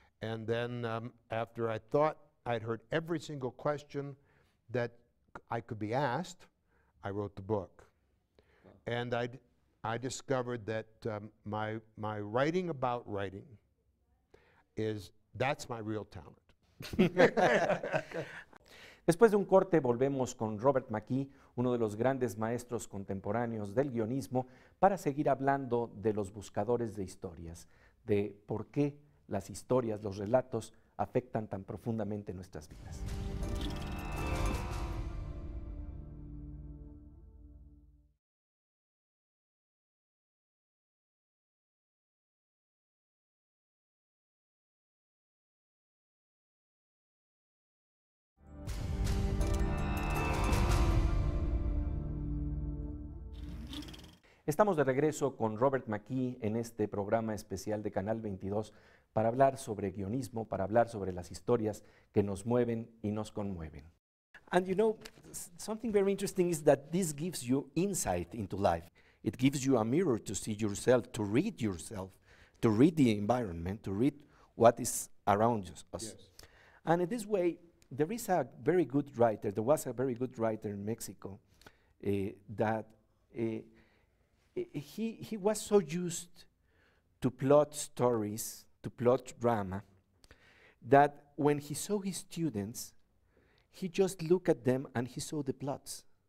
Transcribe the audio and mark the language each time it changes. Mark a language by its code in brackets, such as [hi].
[en] And then after I thought I'd heard every single question that I could be asked, I wrote the book. And I discovered that my writing about writing is, that's my real talent. [es] Después de un corte, volvemos con Robert McKee, uno de los grandes maestros contemporáneos del guionismo, para seguir hablando de los buscadores de historias, de por qué las historias, los relatos, afectan tan profundamente nuestras vidas. Estamos de regreso con Robert McKee en este programa especial de Canal 22 para hablar sobre guionismo, para hablar sobre las historias que nos mueven y nos conmueven. [en] And you know, something very interesting is that this gives you insight into life. It gives you a mirror to see yourself, to read the environment, to read what is around us. Yes. And in this way, there was a very good writer in Mexico He was so used to plot stories, to plot drama, that when he saw his students, he just looked at them and he saw the plots.